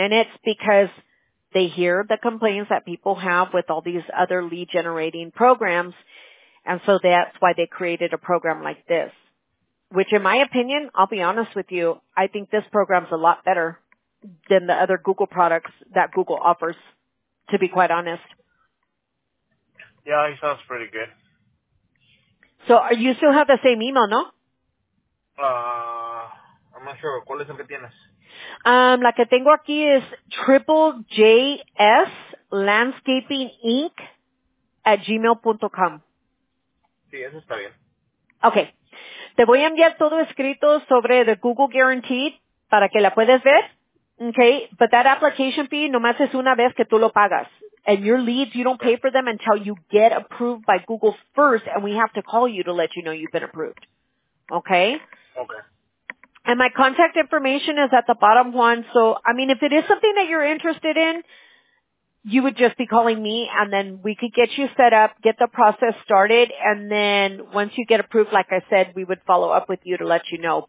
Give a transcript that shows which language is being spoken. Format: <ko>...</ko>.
<en>And it's because they hear the complaints that people have with all these other lead-generating programs, and so that's why they created a program like this, which, in my opinion, I'll be honest with you, I think this program's a lot better than the other Google products that Google offers, to be quite honest. Yeah, he sounds pretty good. So, you still have the same email, no? I'm not sure.</en> <es>¿Cuál es el que tienes? La que tengo aquí es JJSLandscapingInc@gmail.com. Sí, eso está bien.</es> <en>Okay.</en> <es>Te voy a enviar todo escrito sobre the Google Guaranteed para que la puedas ver.</es> <en>Okay, but that application fee</en> <es>nomás es una vez que tú lo pagas.</es> <en>And your leads, you don't pay for them until you get approved by Google first, and we have to call you to let you know you've been approved. Okay? Okay. And my contact information is at the bottom, Juan. So, I mean, if it is something that you're interested in, you would just be calling me, and then we could get you set up, get the process started, and then once you get approved, like I said, we would follow up with you to let you know.</en>